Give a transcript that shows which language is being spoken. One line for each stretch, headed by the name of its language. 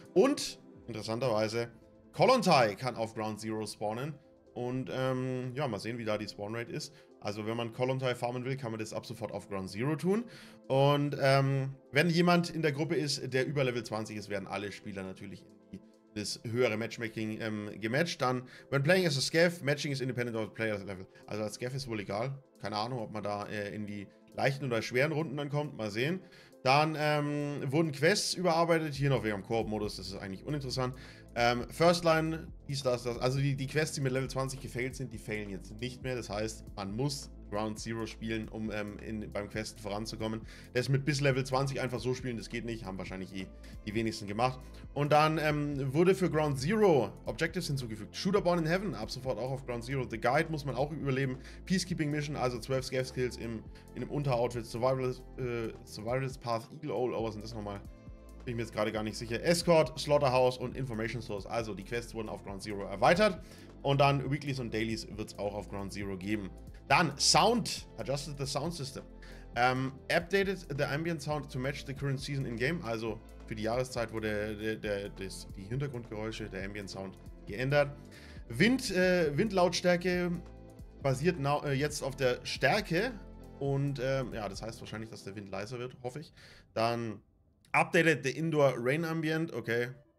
German: Und, interessanterweise, Kolontai kann auf Ground Zero spawnen. Und mal sehen, wie da die Spawnrate ist. Also wenn man Kolontai farmen will, kann man das ab sofort auf Ground Zero tun. Und wenn jemand in der Gruppe ist, der über Level 20 ist, werden alle Spieler natürlich das höhere Matchmaking gematcht.
English: Dann, when playing as a Scav, matching is independent of the player's level.
German: Also als Scav ist wohl egal. Keine Ahnung, ob man da in die leichten oder schweren Runden dann kommt. Mal sehen. Dann wurden Quests überarbeitet. Hier noch wegen dem Koop-Modus, das ist eigentlich uninteressant. First Line hieß das. Also die Quests, die mit Level 20 gefailt sind, die failen jetzt nicht mehr. Das heißt, man muss Ground Zero spielen, um beim Questen voranzukommen. Das mit bis Level 20 einfach so spielen, das geht nicht. Haben wahrscheinlich eh die wenigsten gemacht. Und dann wurde für Ground Zero Objectives hinzugefügt. Shooter Born in Heaven, ab sofort auch auf Ground Zero. The Guide muss man auch überleben. Peacekeeping Mission, also 12 Scav Skills in dem Unteroutfit. Survivalist Path, Eagle Owl, was sind das nochmal? Bin ich mir jetzt gerade gar nicht sicher. Escort, Slaughterhouse und Information Source. Also die Quests wurden auf Ground Zero erweitert. Und dann Weeklies und Dailies wird es auch auf Ground Zero geben.
English: Dann Sound. Adjusted the Sound System. Updated the Ambient Sound to match the current season in-game.
German: Also für die Jahreszeit wurde die Hintergrundgeräusche, der Ambient Sound geändert. Windlautstärke basiert jetzt auf der Stärke. Und das heißt wahrscheinlich, dass der Wind leiser wird, hoffe ich.
English: Dann updated the Indoor Rain Ambient, okay.